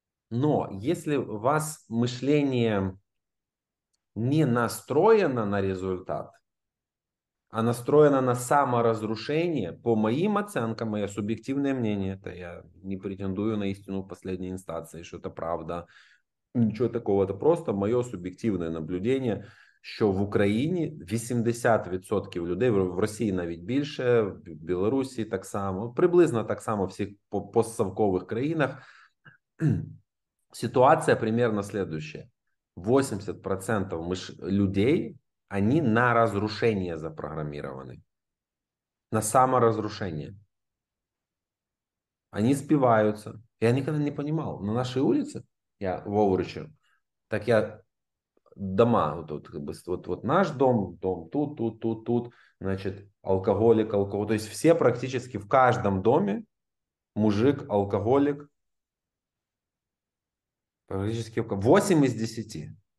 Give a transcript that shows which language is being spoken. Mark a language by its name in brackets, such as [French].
[Russian] Но если у вас мышление не настроено на результат, а настроено на саморазрушение, по моим оценкам, мое субъективное мнение, это я не претендую на истину в последней инстанции, что это правда, ничего такого, это просто мое субъективное наблюдение, [Ukrainian] що в Україні 80% людей, в Росії навіть більше, в Білорусі так само, приблизно так само в всіх постсовкових країнах. [Russian] Ситуація примерно следующая. [Ukrainian] 80% людей, вони на розрушення запрограмовані. На саморозрушення. Вони спиваються. Я ніколи не розумів. На нашій вулиці, я в Овручі, так я... [Russian] Дома, вот наш дом тут, значит, алкоголик, то есть все практически в каждом доме мужик, алкоголик, практически 8 из 10.